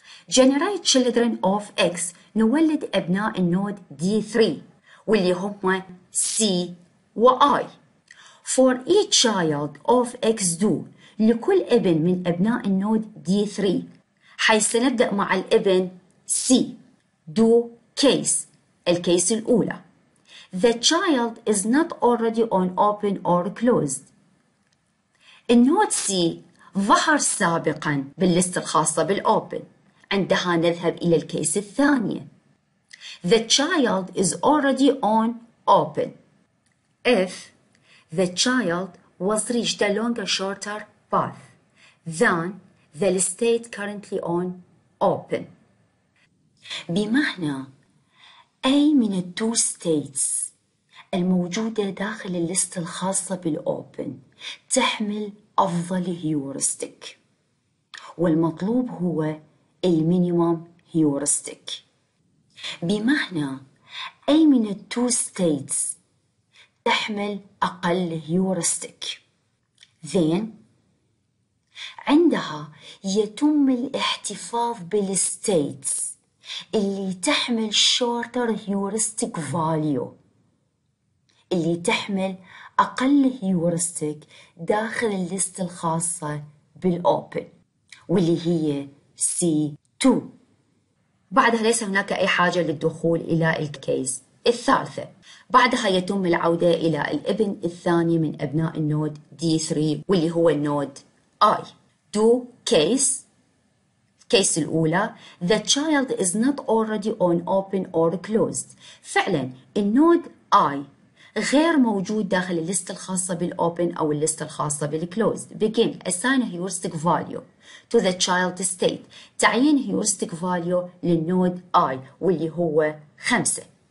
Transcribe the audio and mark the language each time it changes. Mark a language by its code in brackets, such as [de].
[en] Generate children of X. [ar] نولد أبناء النود D3 واللي هم C و I. [en] For each child of X do. [ar] لكل ابن من أبناء النود D3 حيث نبدأ مع الابن C. [en] Do case. [ar] الكيس الأولى. [en] The child is not already on open or closed. [ar] النود C ظهر سابقا باللست الخاصة بالopen. عندها نذهب إلى الكيس الثانية. [en] The child is already on open. If the child was reached a longer shorter path than the state currently on open. [ar] بمعنى أي من التو ستيتس الموجودة داخل اللست الخاصة بالopen تحمل أفضل هيورستيك، والمطلوب هو المينيمم هيورستيك. بمعنى أي من التو ستيتس تحمل أقل هيورستيك. Then عندها يتم الاحتفاظ بالستيتس اللي تحمل shorter هيورستيك فاليو، اللي تحمل أقل هيورستيك داخل الليست الخاصة بالopen واللي هي C2. بعدها ليس هناك أي حاجة للدخول إلى الكيس الثالثة. بعدها يتم العودة إلى الابن الثاني من أبناء النود D3 واللي هو النود I. [en] Do case. [ar] الكيس الأولى. [en] The child is not already on open or closed. [ar] فعلا النود I غير موجود داخل الليست الخاصة بالopen أو الليست الخاصة بالclosed. [en] Begin. Assign a heuristic value to the child state. [ar] تعيين heuristic value للنود I واللي هو 5.